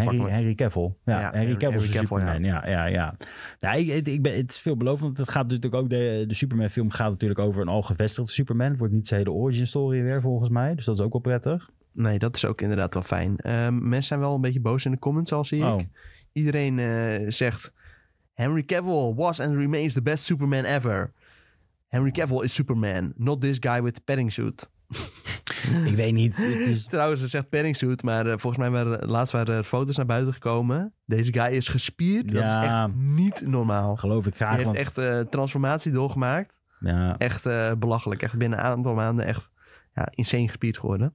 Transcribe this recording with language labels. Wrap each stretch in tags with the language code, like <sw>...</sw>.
<nl>Henry, pak. Henry Cavill. Ja, Henry Cavill is Superman. Ja. Het is veelbelovend. Het gaat natuurlijk ook... De Superman film gaat natuurlijk over een al gevestigde Superman. Het wordt niet zijn hele origin story weer, volgens mij. Dus dat is ook wel prettig. Nee, dat is ook inderdaad wel fijn. Mensen zijn wel een beetje boos in de comments, al zie ik. Oh. Iedereen zegt...</nl> <en>Henry Cavill was and remains the best Superman ever. Henry Cavill is Superman. Not this guy with the padding suit.</en> <nl>Ik weet niet. Het is... Trouwens, het zegt padding suit, maar volgens mij waren er foto's naar buiten gekomen. Deze guy is gespierd. Ja, dat is echt niet normaal. Geloof ik graag. Hij heeft echt transformatie doorgemaakt. Ja. Echt belachelijk. Echt binnen een aantal maanden echt insane gespierd geworden.</nl>